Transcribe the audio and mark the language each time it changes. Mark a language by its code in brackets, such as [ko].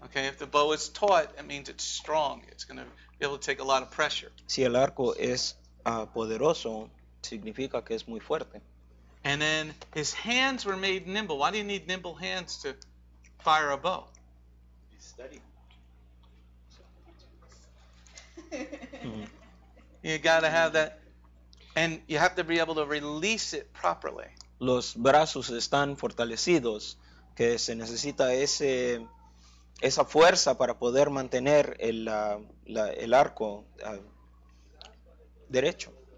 [en] Okay, if the bow is taut, it means it's strong. It's going to be able to take a lot of pressure. [es] Si el arco es poderoso, significa que es muy fuerte. [en] And then his hands were made nimble. Why do you need nimble hands to fire a bow? Be steady. You gotta have that, and you have to be able to release it properly. [es] Los brazos están fortalecidos, que se necesita esa fuerza para poder mantener el arco derecho.